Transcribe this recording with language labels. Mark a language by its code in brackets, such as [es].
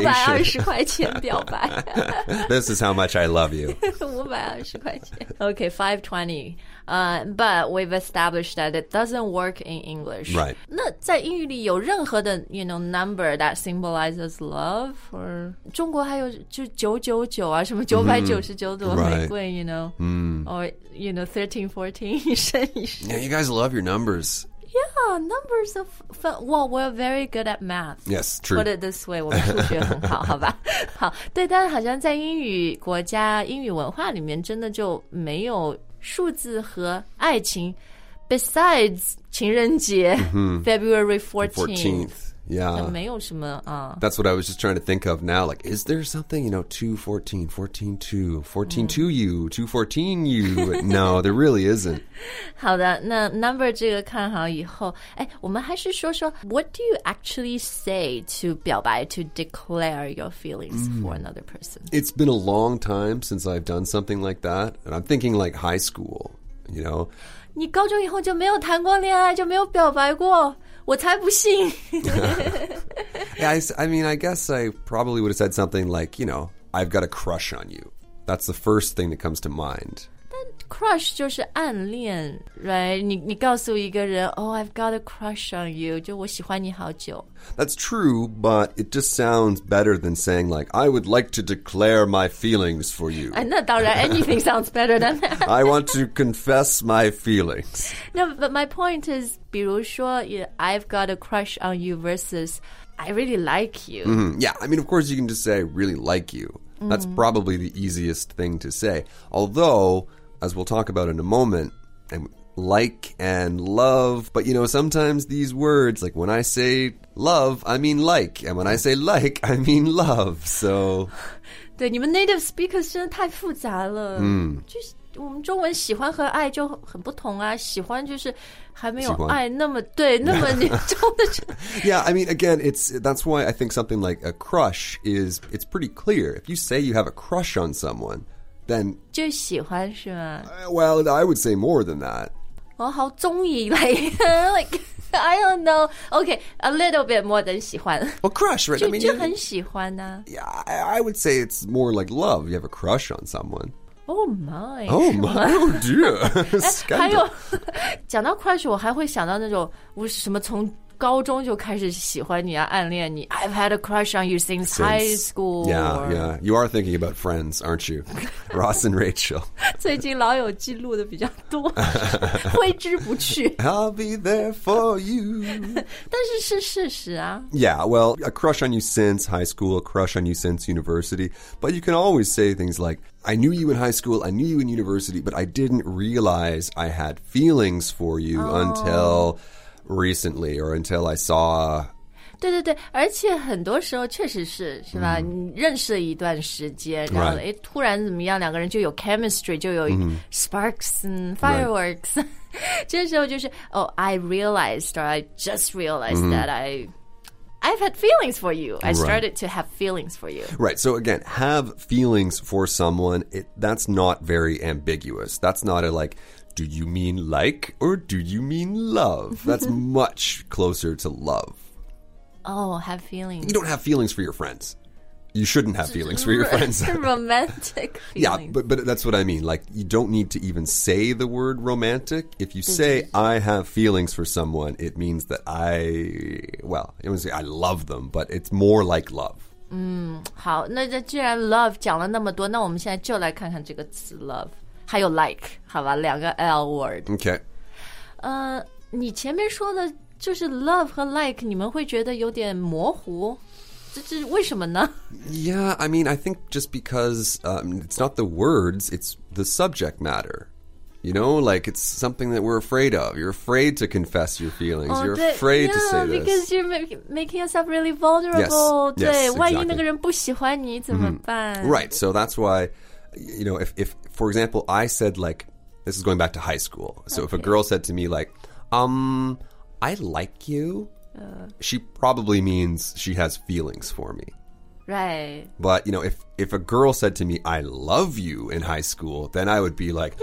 [zh] 给你520块钱表白。 [en] This is how much I love you. [zh] 520块钱。 [en] Okay, 520. But we've established that it doesn't work in English. Right. [zh] 那在英语里有任何的, [en] you know, number that symbolizes love? [zh] Or 中国还有就999啊,什么999朵玫瑰, [en] you know. Or, you know, 1314, [zh] 一生一世。 [en] You guys love your numbers. Yeah, numbers are fun. Well, we're very good at math. Yes, true. Put it this way, [zh] 我们数学很好，好吧？好，对，但好像在英语国家、英语文化里面，真的就没有数字和爱情。Besides 情人节、February 14th. [en] Yeah. [zh] 没有什么, [en] That's what I was just trying to think of now. Like, is there something, you know, 214, 14-2, 14-2 you, 214 you? No, there really isn't. [zh] 好的，那 [en] number [zh] 这个看好以后，哎，我们还是说说 [en] what do you actually say to 表白 to declare your feelings for another person? It's been a long time since I've done something like that. And I'm thinking like high school, you know. [zh] 你高中以后就没有谈过恋爱，就没有表白过。我才不信 [en] Yeah, I mean, I guess I probably would have said something like, you know, I've got a crush on you. That's the first thing that comes to mind. [zh] But crush 就是暗恋 right? 你告诉一个人 [en] oh, I've got a crush on you, [zh] 就我喜欢你好久 [en] That's true, but it just sounds better than saying like, I would like to declare my feelings for you. [zh] 那当然 [en] anything sounds better than that. I want to confess my feelings. No, but my point is, [zh] 比如说 [en] yeah, I've got a crush on you versus I really like you、 mm-hmm. Yeah, I mean, of course you can just say really like you、mm-hmm. That's probably the easiest thing to say Although, as we'll talk about in a moment and Like and love But you know, sometimes these words Like when I say love, I mean like And when I say like, I mean love So [zh] 对你们 native speakers 真的太复杂了、 mm. 就是我们中文喜欢和爱就很不同啊喜欢就是还没有爱那么对那么严重的 [en] Yeah, I mean, again, that's why I think something like a crush is, it's pretty clear. If you say you have a crush on someone, then... [zh] 就喜欢是吗 [en] Well, I would say more than that. 我好中意 like, I don't know. Okay, a little bit more than 喜欢。 Well, crush, right? [zh] 就很喜欢啊。 [en] Yeah, I would say it's more like love. You have a crush on someone. Oh my. Oh my. Oh dear. Scandal. [zh] 还有讲到 crush 我还会想到那种我什么从高中就开始喜欢你啊暗恋你 [en] I've had a crush on you since high school. Yeah, yeah. You are thinking about friends, aren't you? Ross and Rachel. [zh] 最近老友记录的比较多挥之不去 [en] I'll be there for you. [zh] 但是是事实啊 [en] Yeah, well, a crush on you since high school, a crush on you since university. But you can always say things like,I knew you in high school, I knew you in university, but I didn't realize I had feelings for you、oh. until recently or until I saw... [zh] 对对对而且很多时候确实是是吧、mm-hmm. 你认识了一段时间然后、 [en] right. [zh] 诶突然怎么样两个人就有 chemistry, 就有 [en] sparks and fireworks.、 Right. [zh] 这时候就是 [en] oh, I realized or I just realized、mm-hmm. that I've had feelings for you. I started、 right. to have feelings for you. Right. So again, have feelings for someone, that's not very ambiguous. That's not a like, do you mean like or do you mean love? That's much closer to love. Oh, have feelings. You don't have feelings for your friends. You shouldn't have feelings for your friends. romantic feelings. Yeah, but that's what I mean. Like, you don't need to even say the word romantic. If you say, I have feelings for someone, it means that I love them, but it's more like love. [zh] 好，那既然 love 讲了那么多，那我们现在就来看看这个词 love. 还有 like, 好吧，两个 L word. [en] Okay. [zh] 你前面说的就是 love 和 like, 你们会觉得有点模糊。为什么呢? [en] Yeah, I mean, I think just because、it's not the words, it's the subject matter. You know, like it's something that we're afraid of. You're afraid to confess your feelings.、 Oh, you're afraid yeah, to say because this. Because you're making yourself really vulnerable. Yes, yes, exactly. [zh] 万一那个人不喜欢你怎么办? Mm-hmm. [en] Right, so that's why, you know, if, for example, I said like, this is going back to high school. So、 okay. if a girl said to me like, I like you. She probably means she has feelings for me. Right. But, you know, if a girl said to me, I love you in high school, then I would be like...